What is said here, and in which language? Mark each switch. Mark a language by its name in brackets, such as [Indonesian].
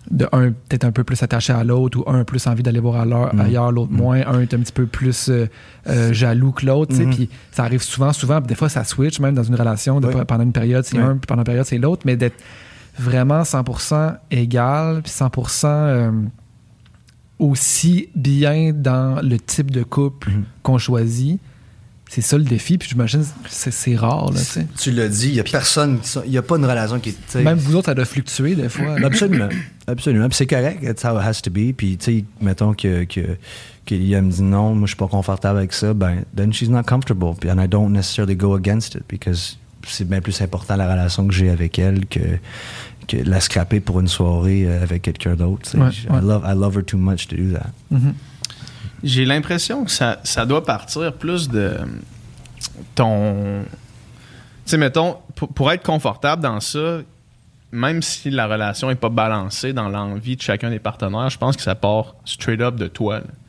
[French] un peut-être un peu plus attaché à l'autre, ou un plus envie d'aller voir ailleurs, l'autre moins, un est un petit peu plus jaloux que l'autre, puis ça arrive souvent, des fois ça switch même dans une relation, pendant une période c'est un, puis pendant une période c'est l'autre, mais d'être vraiment 100% égal, puis 100% aussi bien dans le type de couple qu'on choisit, c'est ça le défi. Puis j'imagine que c'est rare, là, tu l'as dit, il n'y a personne, il n'y a pas une relation qui... Même vous autres, ça doit fluctuer des fois. Absolument. Puis c'est correct, [English] that's how it has to be. [French] Puis tu sais, mettons qu'il me dit non, moi je ne suis pas confortable avec ça, ben [English] then she's not comfortable. [French] Puis [English] and I don't necessarily go against it, because [French] c'est bien plus important la relation que j'ai avec elle que la scraper pour une soirée avec quelqu'un d'autre. [English] I love her too much to do that. Mm-hmm. [French] J'ai l'impression que ça doit partir plus de ton... Tu sais, mettons, pour être confortable dans ça, même si la relation n'est pas balancée dans l'envie de chacun des partenaires, je pense que ça part straight up de toi.